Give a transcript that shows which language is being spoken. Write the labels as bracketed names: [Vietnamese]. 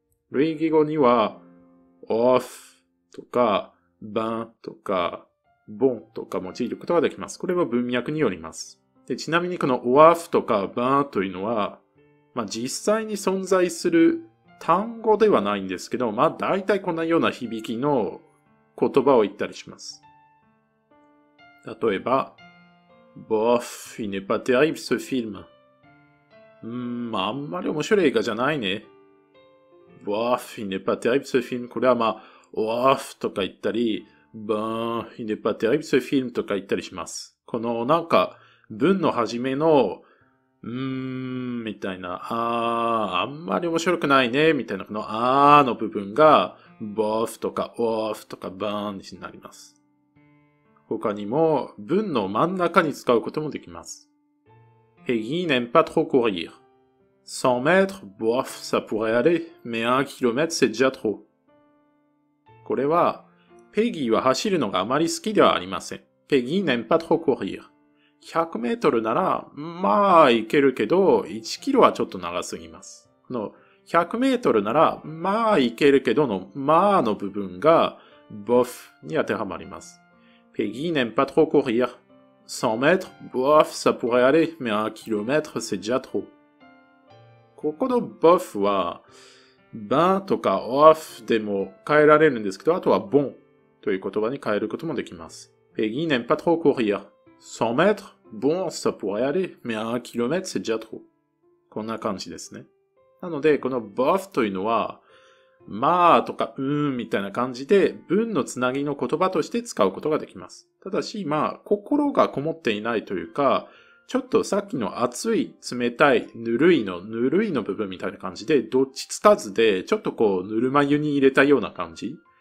[Japanese] 類義語には、off とか、ban とか、bon とか用いることができます。これも文脈によります。でちなみにこの off とか ban というのは、まあ実際に存在する単語ではないんですけど、まあ大体こんなような響きの言葉を言ったりします。 [French] 例えば、bof, il n'est pas terrible ce film. [Japanese] あんまり面白い映画じゃないね。 [French] bof, il n'est pas terrible ce film. [Japanese] これはまあ、bof とか言ったり、 [French] ben, il n'est pas terrible ce film [Japanese] とか言ったりします。このなんか文の始めのみたいな、あんまり面白くないね、みたいな、このあーの部分が、bof とか off とか ban になります。他にも、文の真ん中に使うこともできます。 [French] Peggy n'aime pas trop courir. 100 mètres, bof, ça pourrait aller, mais 1 km, c'est déjà trop. [Japanese] これは、Peggy は走るのがあまり好きではありません。 [French] Peggy n'aime pas trop courir. [Japanese] 100メートルなら、まあ、いけるけど、1キロはちょっと長すぎます。この、100メートルなら、まあ、いけるけどの、まあの部分が、bof に当てはまります。 [French] Peggy n'aime pas trop courir. 100メートル、bof, ça pourrait aller, mais 1キロメートル、c'est déjà trop. [Japanese] ここの bof は、ben とか off でも変えられるんですけど、あとは bon という言葉に変えることもできます。 [French] Peggy n'aime pas trop courir. 100 mètres? Bon, ça pourrait aller, mais 1 km, c'est déjà trop. [Japanese] こんな感じですね。なので、この bof というのは、まあとか、みたいな感じで、文のつなぎの言葉として使うことができます。ただし、まあ、心がこもっていないというか、ちょっとさっきの熱い、冷たい、ぬるいの、ぬるいの部分みたいな感じで、どっちつかずで、ちょっとこう、ぬるま湯に入れたような感じ。